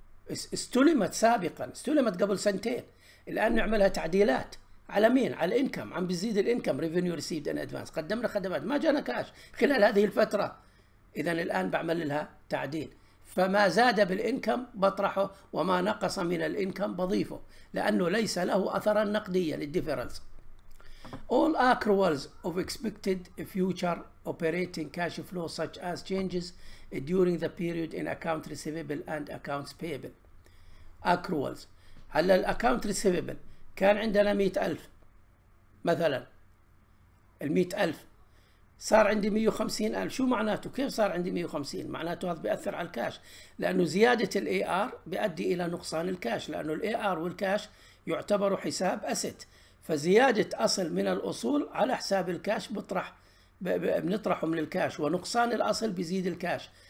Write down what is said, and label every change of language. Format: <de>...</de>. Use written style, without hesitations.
<ar>استلمت سابقا، استلمت قبل سنتين، الآن نعملها تعديلات على مين؟ على الانكم، عم بيزيد الانكم</ar> <en>revenue received in advance,</en> <ar>قدمنا خدمات ما جانا كاش خلال هذه الفترة، إذا الآن بعمل لها تعديل، فما زاد بالانكم بطرحه وما نقص من الانكم بضيفه، لأنه ليس له أثرا نقديا للديفيرنس.</ar> <en>All accruals of expected future operating cash flow such as changes during the period in account receivable and accounts payable.</en> <ar>Accruals على الأكونت ريسيفبل، كان عندنا 100,000 مثلا، ال100,000 صار عندي 150,000، شو معناته؟ كيف صار عندي 150؟ معناته هذا بيأثر على الكاش، لأنه زيادة الاي ار بيؤدي إلى نقصان الكاش، لأنه الاي ار والكاش يعتبروا حساب أسيت، فزيادة أصل من الأصول على حساب الكاش بطرح بنطرحه من الكاش، ونقصان الأصل بيزيد الكاش.</ar>